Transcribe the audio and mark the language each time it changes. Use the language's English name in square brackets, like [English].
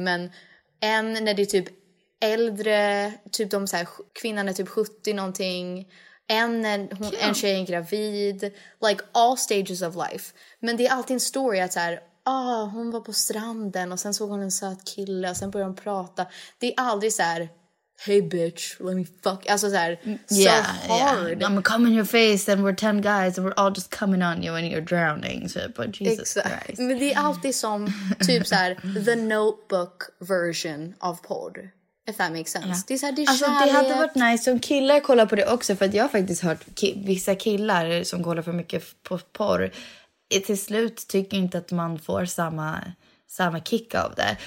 [Swedish] Men en när det är typ äldre, typ de så här, kvinnan är typ 70-någonting... En tjej är gravid. [English] Like, all stages of life. [Swedish] Men det är alltid en story att så här, hon var på stranden och sen såg hon en söt kille och sen började hon prata. Det är aldrig så här, [English] hey bitch, let me fuck. [Swedish] Alltså så här, hard. [English] Yeah. I'm gonna come in your face and we're 10 guys and we're all just coming on you and you're drowning. So, but Jesus Christ. [Swedish] Men det är alltid som typ så här, [English] the notebook version of [Swedish] porr. [English] If that makes sense. Yeah. [Swedish] Det, alltså, det hade varit nice om killar kollar på det också. För att jag har faktiskt hört vissa killar som kollar för mycket på porr. Till slut tycker inte att man får samma kick av det.